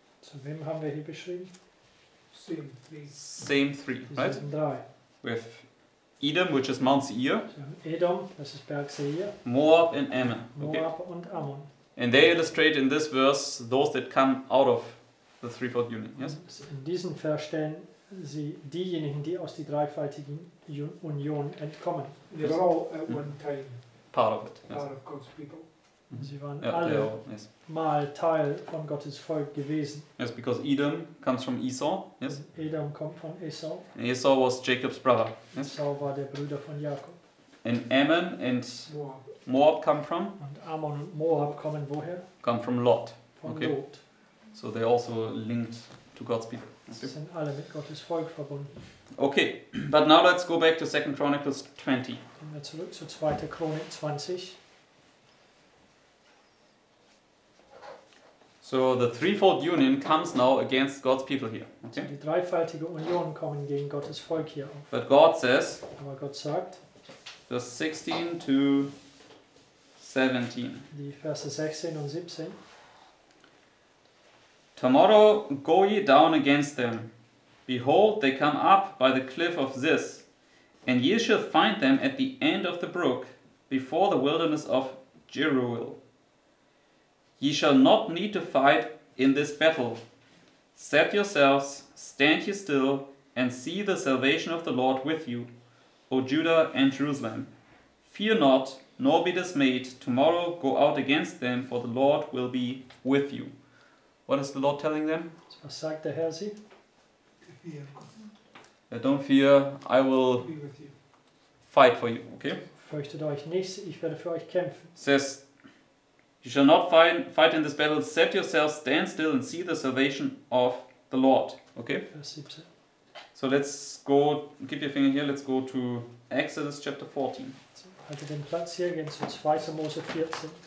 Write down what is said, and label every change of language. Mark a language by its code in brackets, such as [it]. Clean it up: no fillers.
[de] So wem haben wir hier beschrieben? [en] Same three, right? We have Edom, which is Mount Seir. [de] Edom, das ist Berg Seir. [en] Moab and Ammon. [de] Moab und Ammon. [en] And they illustrate in this verse those that come out of the threefold union, yes? [de] In diesen Vers stellen sie diejenigen, die aus der dreifaltigen Union entkommen. [en] They're all at one time. Part of it, yes. Part of God's people. [de] Sie waren alle mal Teil von Gottes Volk gewesen. [en] Yes, because Edom comes from Esau. Yes. [de] Edom kommt von Esau. [en] And Esau was Jacob's brother. Yes. [de] Esau war der Bruder von Jakob. [en] And Ammon and Moab come from? [de] Und Ammon und Moab kommen woher? [en] Come from Lot. [de] Von [en] okay. [de] Lot. [en] So they also linked to God's people. [de] Sie sind alle mit Gottes Volk verbunden. [en] Okay, but now let's go back to 2 Chronicles 20. [de] Kommen wir zurück zu 2. Chronik 20. [en] So the threefold union comes now against God's people here. Okay. [de] Die dreifaltige Union kommen gegen Gottes Volk hier auf. [en] But God says. [de] Aber Gott sagt. [en] Verse 16 to 17. [de] Die Verse 16 und 17. [en] Tomorrow go ye down against them. Behold, they come up by the cliff of Ziz, and ye shall find them at the end of the brook, before the wilderness of Jeruel. Ye shall not need to fight in this battle. Set yourselves, stand ye still, and see the salvation of the Lord with you, O Judah and Jerusalem. Fear not, nor be dismayed. Tomorrow go out against them, for the Lord will be with you. What is the Lord telling them? [de] Was sagt der Herr sie? [en] Don't fear, I will be with you. Fight for you, okay? [de] Fürchtet euch nicht, ich werde für euch kämpfen. [en] Says, you shall not fight in this battle. Set yourselves, stand still and see the salvation of the Lord. Okay? [de] Vers 17. [en] So let's go, keep your finger here, let's go to Exodus chapter 14. So, [de] halte den Platz hier, gehen zu 2. Mose 14.